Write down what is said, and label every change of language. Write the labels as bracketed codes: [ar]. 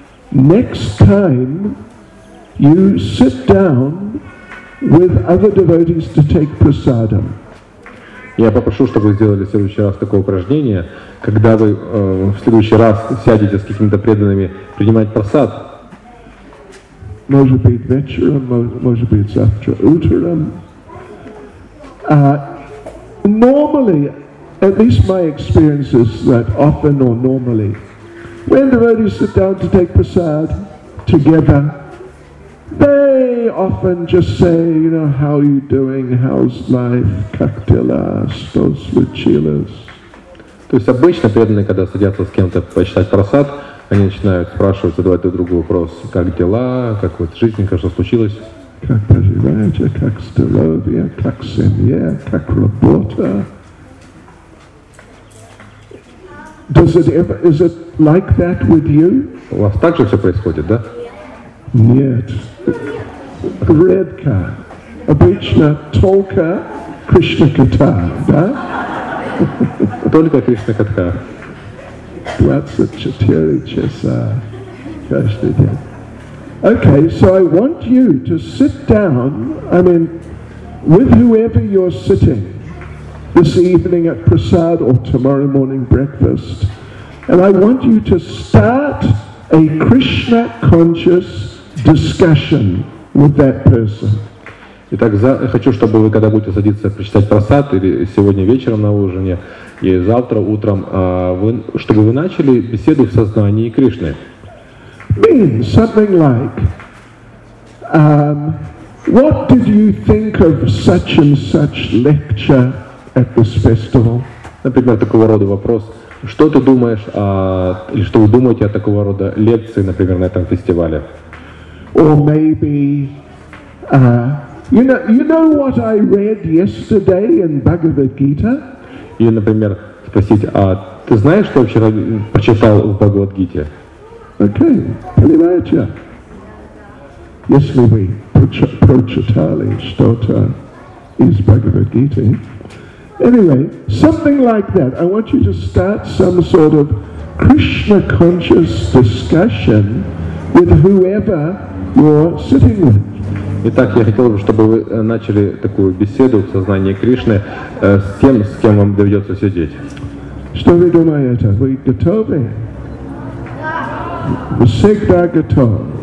[en] Next time you sit down with other devotees to take prasadam. [ru] Я попрошу, чтобы вы сделали в следующий раз такое упражнение, когда вы в следующий раз сядете с какими-то преданными принимать прасад. Может быть вечером, может быть завтра утром. [en] Normally, at least my experience is that often or normally, when devotees sit down to take prasad together, they often just say, you know, how are you doing, how's life, [ru] как дела, что случилось. То есть обычно преданные, когда садятся с кем-то почитать прасад, они начинают спрашивать, задавать друг другу вопрос, как дела, как вот жизнь, как что случилось. Как поживаете, как здоровье, как семья, как работа. [en] Does it ever, is it like that with you? [ru] У вас так же все происходит, да? Нет. Редко. Обычно только Кришна Катха, да? Только Кришна Катха. 24 часа каждый день. [en] Okay, so I want you to sit down, I mean, with whoever you're sitting, this evening at prasad or tomorrow morning breakfast, and I want you to start a Krishna conscious discussion with that person. [ru] Итак, я хочу, чтобы вы, когда будете садиться прочитать прасад, или сегодня вечером на ужине, и завтра утром, чтобы вы начали беседу в сознании Кришны. [en] Means something like, what did you think of such and such lecture at this festival? [ru] Например, такого рода вопрос. Что ты думаешь о, или что вы думаете о такого рода лекции, например, на этом фестивале? [en] Or maybe, you know what I read yesterday in Bhagavad Gita? [ru] Или, например, спросить, а ты знаешь, что я вчера прочитал в Бхагавад Гите? Okay, понимаете? Если вы прочитали что-то из Бхагавад Гиты. [en] Anyway, something like that. I want you to start some sort of Krishna conscious discussion with whoever you're sitting with. [ru] Итак, я хотел бы, чтобы вы начали такую беседу в сознании Кришны с тем, с кем вам доведется сидеть. Что вы думаете? Вы готовы? Да. Всегда готов.